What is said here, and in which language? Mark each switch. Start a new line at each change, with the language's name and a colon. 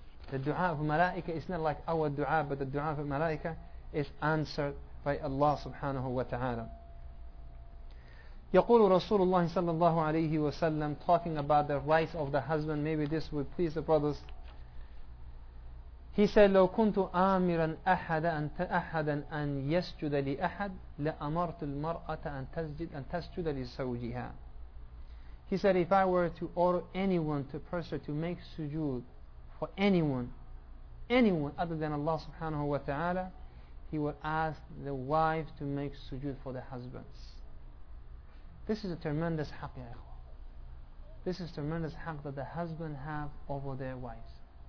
English: The dua of malaika is not like our dua, but the dua of malaika is answered by Allah subhanahu wa ta'ala.
Arabic: يقول رسول الله صلى الله عليه وسلم,
English: talking about the rights of the husband, maybe this will please the brothers. He said,
Arabic: لو كنت آمرا أحد أن أحدا أن يسجد لأحد لأمرت المرأة أن تسجد أن تسجد لزوجها.
English: He said, if I were to order anyone to pressure to make sujood for anyone other than Allah subhanahu wa ta'ala, he would ask the wife to make sujood for the husbands. This is a tremendous haq, ya ikhwa. This is a tremendous haq that the husband have over their wives.